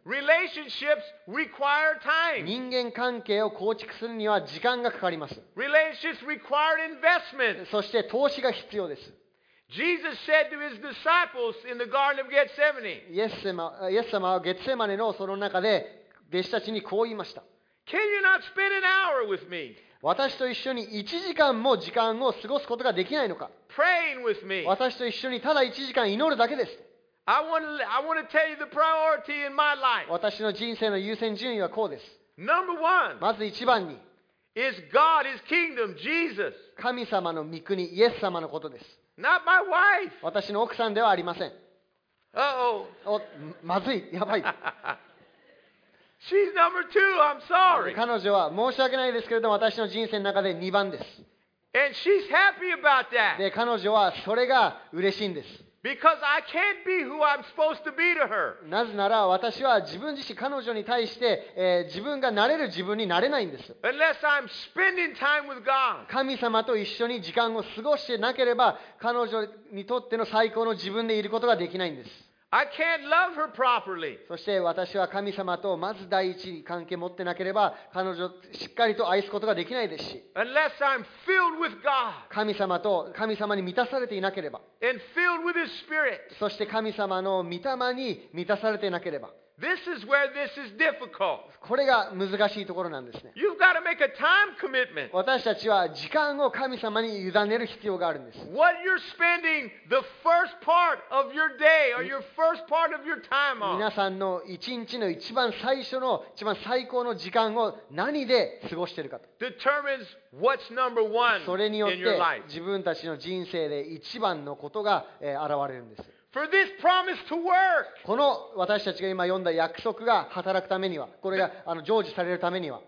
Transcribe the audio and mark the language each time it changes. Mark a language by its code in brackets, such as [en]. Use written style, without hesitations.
[en] Relationships require time. [ja] 人間関係を構築するには時間がかかります。 [en] Relationships require investment. [ja] そして投資が必要です。 [en] Jesus said to his disciples in the Garden of Gethsemane. [ja] イエス様はゲッセマネのその中で弟子たちにこう言いました。 [en] Can you not spend an hour with me? [ja] 私と一緒に1時間も時間を過ごすことができないのか。 [en] Praying with me. [ja] 私と一緒にただ1時間祈るだけです。 [en] I want to tell you the priority in my life. [ja] 私の人生の優先順位はこうです。 [en] Number one. [ja] まず一番に。 [en] Is God, His kingdom, Jesus. [ja] 神様の御国、イエス様のことです。 [en] Not my wife. [ja] 私の奥さんではありません。 [en] Uh-oh. [ja] まずい、やばい。 [en] She's number two. I'm sorry. [ja] 彼女は申し訳ないですけれども、私の人生の中で2番です。 [en] And she's happy about that. [ja] で、彼女はそれが嬉しいんです。 [en] Because I can't be who I'm supposed to be to her. [ja] なぜなら私は自分自身彼女に対して、自分がなれる自分になれないんです。 [en] Unless I'm spending time with God. [ja] 神様と一緒に時間を過ごしてなければ、彼女にとっての最高の自分でいることができないんです。 [en] I can't love her properly. [ja] そして私は神様とまず第一に関係を持ってなければ、彼女をしっかりと愛すことができないですし。 [en] Unless I'm filled with God. [ja] 神様に満たされていなければ。 [en] And filled with His Spirit. [ja] そして神様の御霊に満たされていなければ。 [en] This is where this is difficult. [ja] これが難しいところなんですね。 [en] You've got to make a time commitment. [ja] 私たちは時間を神様に委ねる必要があるんです。 [en] What you're spending the first part of your day or your first part of your time on? [ja] 皆さんの一日の一番最初の一番最高の時間を何で過ごしているかと。 [en] Determines what's number one in your life. [ja] それによって自分たちの人生で一番のことが現れるんです。 [en] For this promise to work. [ja] この私たちが今読んだ約束が働くためには、これが成就されるためには、